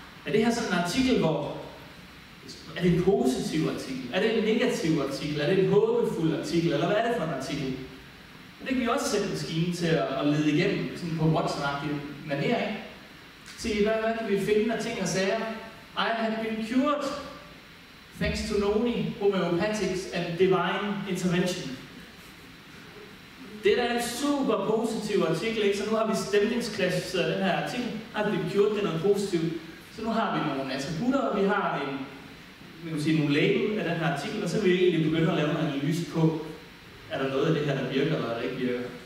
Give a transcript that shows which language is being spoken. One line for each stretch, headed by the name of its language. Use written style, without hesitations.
Danish: Er det her sådan en artikel, hvor er det en positiv artikel? Er det en negativ artikel? Er det en håbefuld artikel? Eller hvad er det for en artikel? Og det kan vi også sætte maskinen til at lede igennem sådan på Watson-agtig maner, ikke? Sige, hvad kan vi finde af ting og sager?
English: I have been cured thanks to noni, homeopathics and divine intervention.
Danish: Det er da en super positiv artikel, ikke? Så nu har vi stemningsklassificeret den her artikel. Har vi gjort det noget positivt? Så nu har vi nogle attributter, og vi har nogle label af den her artikel, og så vil vi egentlig begynde at lave en analyse på, er der noget af det her, der virker, eller er der ikke virker?